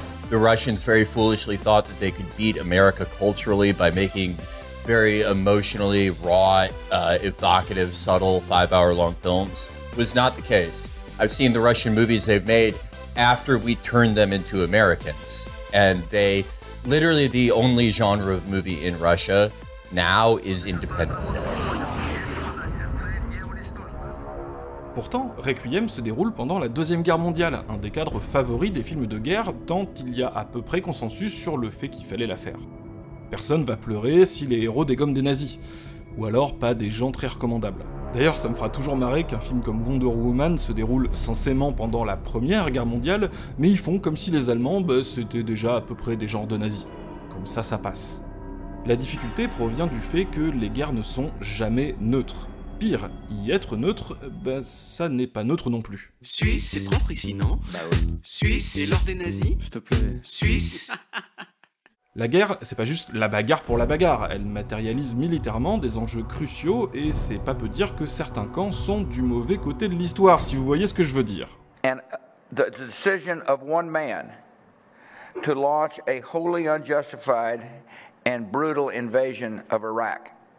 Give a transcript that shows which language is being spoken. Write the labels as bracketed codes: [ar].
[en] The Russians very foolishly thought that they could beat America culturally by making very emotionally raw, evocative, subtle, five-hour-long films. Was not the case. I've seen the Russian movies they've made after we turned them into Americans. And they, literally the only genre of movie in Russia now is Independence Day. [fr] Pourtant, Requiem se déroule pendant la Deuxième Guerre mondiale, un des cadres favoris des films de guerre, tant il y a à peu près consensus sur le fait qu'il fallait la faire. Personne va pleurer si les héros dégomment des nazis, ou alors pas des gens très recommandables. D'ailleurs, ça me fera toujours marrer qu'un film comme Wonder Woman se déroule censément pendant la Première Guerre mondiale, mais ils font comme si les Allemands, bah, c'était déjà à peu près des genres de nazis. Comme ça, ça passe. La difficulté provient du fait que les guerres ne sont jamais neutres. Pire, y être neutre, ben ça n'est pas neutre non plus. Suisse, c'est propre ici, non? Bah ouais. Suisse, c'est l'ordre des nazis. S'il te plaît. Suisse. La guerre, c'est pas juste la bagarre pour la bagarre, elle matérialise militairement des enjeux cruciaux, et c'est pas peu dire que certains camps sont du mauvais côté de l'histoire, si vous voyez ce que je veux dire. [en] And the decision of one man to launch a wholly unjustified and brutal invasion of Iraq.